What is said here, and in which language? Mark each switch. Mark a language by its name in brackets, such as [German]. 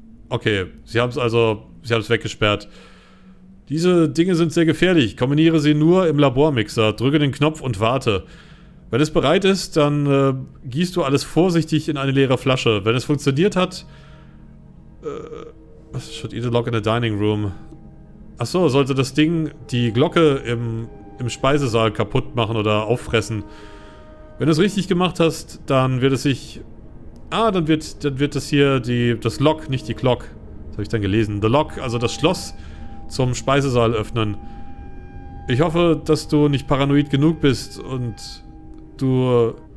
[German] Okay, sie haben es weggesperrt. Diese Dinge sind sehr gefährlich. Kombiniere sie nur im Labormixer. Drücke den Knopf und warte. Wenn es bereit ist, dann gießt du alles vorsichtig in eine leere Flasche. Wenn es funktioniert hat. [English] Should eat a lock in the dining room. [German] Achso, sollte das Ding die Glocke im Speisesaal kaputt machen oder auffressen. Wenn du es richtig gemacht hast, dann wird es sich. Ah, dann wird das hier das Lock, nicht die Glock. Das habe ich dann gelesen. The Lock, also das Schloss zum Speisesaal öffnen. Ich hoffe, dass du nicht paranoid genug bist und du.